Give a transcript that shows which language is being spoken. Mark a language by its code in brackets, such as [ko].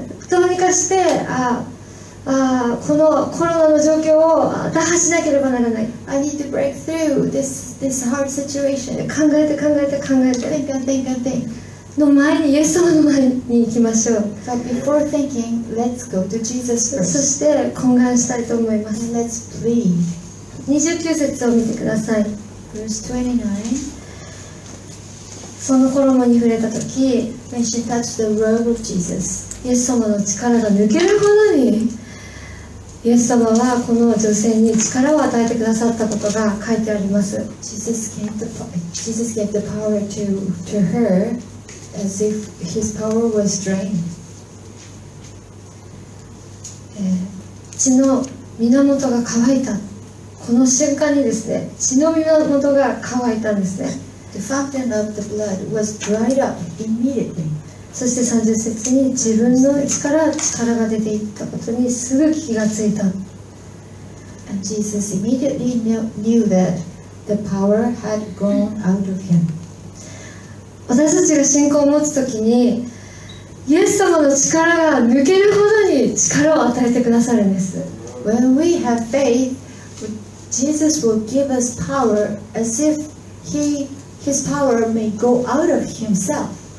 [ja] どうにかして、このコロナの状況を打破しなければならない。 [en] I need to break through this hard situation. [ja] 考えて考えて考えて [en] think and think and think. [ja] の前にイエス様の前に行きましょう。 [en] But before thinking, let's go to Jesus first. [ja] そして懇願したいと思います。 [en] And let's plead. [ja] 29節を見てください。 [en] Verse 29. [ja] その衣に触れたとき、 [en] When she touched the robe of Jesus, [ja] イエス様の力が抜けるほどに、イエス様はこの女性に力を与えてくださったことが書いてあります。 [en] Jesus gave the power to her as if his power was drained. [ja] 血の源が乾いた。この瞬間にですね、血の源が乾いたんですね。 [en] The fountain of the blood was dried up immediately. [ja] そして30節に自分の内から力が出ていったことにすぐ気がついた。 [en] And Jesus immediately knew that the power had gone out of him. [ja] 私たちが信仰を持つときにイエス様の力が抜けるほどに力を与えてくださるんです。 [en] When we have faith, Jesus will give us power as if His power may go out of himself.